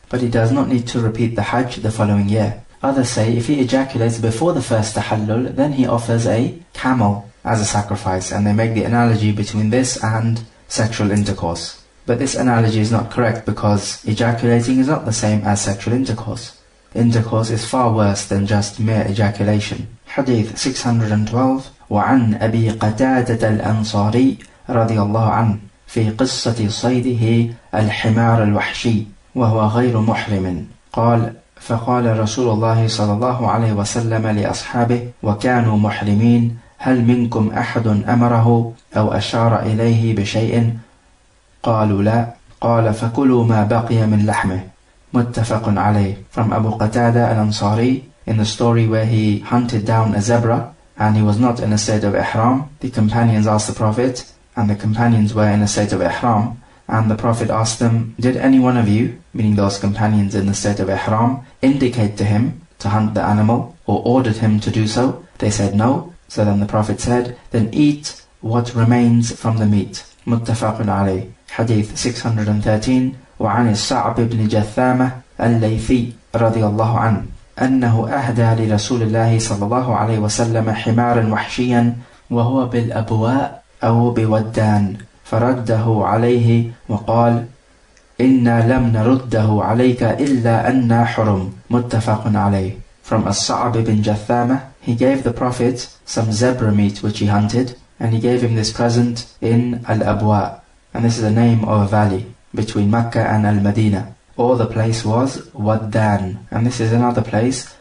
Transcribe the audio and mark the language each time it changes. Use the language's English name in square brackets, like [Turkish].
[English] But he does not need to repeat the Hajj the following year. Others say if he ejaculates before the first tahallul, then he offers a camel as a sacrifice, and they make the analogy between this and sexual intercourse. But this analogy is not correct, because ejaculating is not the same as sexual intercourse. Intercourse is far worse than just mere ejaculation. Hadith 612. [Arabic] وعن أبي قتادة الأنصاري رضي الله عنه في قصة صيده الحمار الوحشي وهو غير محرم قال فقال رسول الله صلى الله عليه وسلم لأصحابه وكانوا محرمين هل منكم أحد أمره أو أشار إليه بشيء قالوا لا قال فكلوا ما بقي من لحمه متفق عليه. [English] From Abu Qatada al-Ansari, in the story where he hunted down a zebra and he was not in a state of ihram, the companions asked the Prophet, and the companions were in a state of ihram, and the Prophet asked them, did any one of you, meaning those companions in the state of ihram, indicate to him to hunt the animal or ordered him to do so? They said no. So then the Prophet said, then eat what remains from the meat. Muttafaqun alayh. Hadith 613. [Arabic] وعن الصعب بن جثامة الليثي رضي الله عنه أنه أهدى لرسول الله صلى الله عليه وسلم حمارا وحشيا وهو بالأبواء أو بودان فرده عليه وقال إنا لم نرده عليك إلا أنا حرم. متفق عليه. [English] From الصعب بن جثامة, he gave the Prophet some zebra meat which he hunted, and he gave him this present in Al-Abwa, and this is the name of a valley between Mecca and Al-Madinah. Or the place was Waddan, and this is another place.